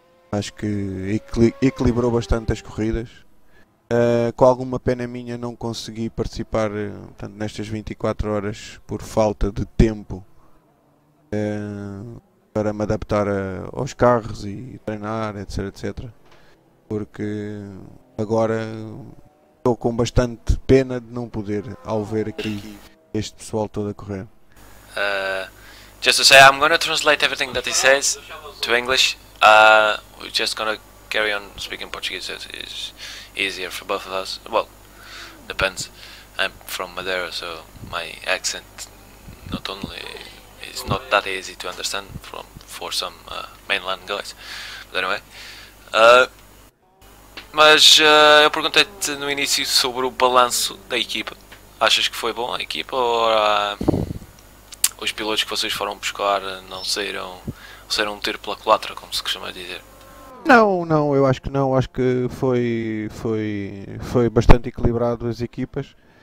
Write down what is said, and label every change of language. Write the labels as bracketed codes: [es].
[pt] Acho que equilibrou bastante as corridas. Com alguma pena minha, não consegui participar tanto nestas 24 horas por falta de tempo para me adaptar aos carros e treinar, etc, etc. Porque agora estou com bastante pena de não poder, ao ver aqui este pessoal todo a correr. [en] Just to say, I'm going to translate everything that he says to English. We're just going to carry on speaking Portuguese. It's easier for both of us. Well, depends. I'm from Madeira, so my accent not only is not that easy to understand for some mainland guys. But anyway. [pt] Mas eu perguntei-te no início sobre o balanço da equipa. Achas que foi bom a equipa? Ou os pilotos que vocês foram buscar não saíram... Ser um tiro pela culatra, como se costuma dizer. Não, eu acho que não. Acho que foi bastante equilibrado as equipas.